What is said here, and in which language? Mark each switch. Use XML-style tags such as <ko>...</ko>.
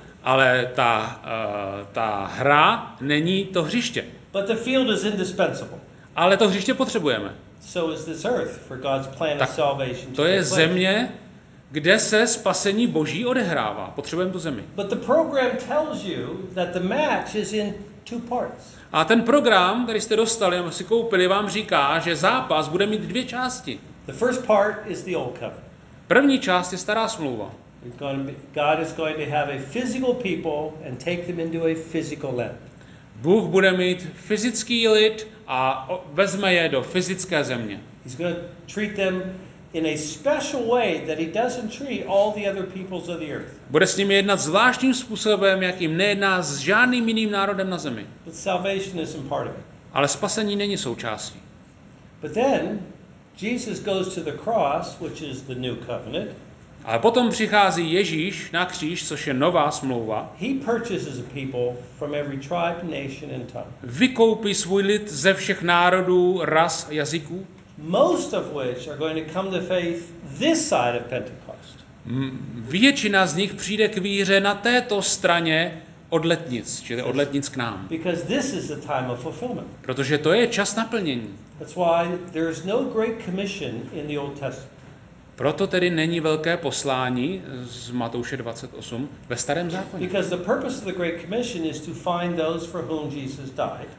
<cs>Ale ta hra není to hřiště.</cs> <en>But the field is indispensable.</en> <cs>Ale to hřiště potřebujeme.</cs> <en>So is this earth for God's plan of salvation.</en> <cs>To je země, kde se spasení Boží odehrává. Potřebujeme tu zemi.</cs> <en>But the program tells you that the match is in two parts.</en> <cs>A ten program, který jste dostali, nebo si koupili, vám říká, že zápas bude mít dvě části.</cs> <en>The first part is the old covenant.</en> <cs>První část je stará smlouva.</cs> <en>God is going to have a physical people and take them into a physical land.</en> <cs>Bůh bude mít fyzický lid a vezme je do fyzické země.</cs> <en>He's going to treat them in a special way that he doesn't treat all the other peoples of the earth.</en> <cs>Bude s nimi jednat zvláštním způsobem, jakým nejedná s žádným jiným národem na zemi.</cs> <en>But salvation isn't part of it.</en> <cs>Ale spasení není součástí.</cs> <en>But then Jesus goes to the cross, which is the new covenant.</en> <cs>Ale potom přichází Ježíš na kříž, což je nová smlouva.</cs> <en>He purchases a people from every tribe, nation and tongue.</en> <cs>Vykoupí svůj lid ze všech národů, ras, jazyků.</cs> <en>Most of which are going to come to faith this side of Pentecost.</en> <cs>Většina z nich přijde k víře na této straně od letnic, čili od letnic k nám.</cs> <en>Because this is the time of fulfillment.</en> <cs>Protože to je čas naplnění.</cs> <en>That's why there is no great commission in the Old Testament.</en> <cs>Proto tedy není velké poslání z Matouše 28 ve starém zákoně.</cs> <en>Because the purpose of the great commission is to find those for whom Jesus died.</en>